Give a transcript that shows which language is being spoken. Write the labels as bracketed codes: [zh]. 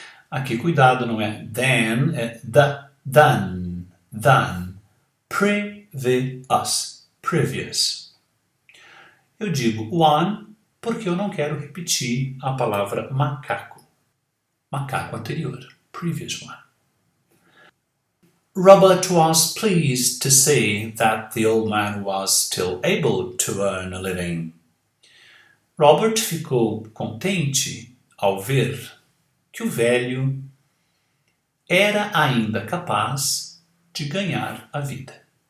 [pt] Aqui, cuidado, não é then, é the, done, done. [en] Previous, previous. [pt] Eu digo one porque eu não quero repetir a palavra macaco. Macaco anterior, [en] previous one. Robert was pleased to see that the old man was still able to earn a living. [pt] Robert ficou contente ao ver que o velho era ainda capaz de ganhar a vida.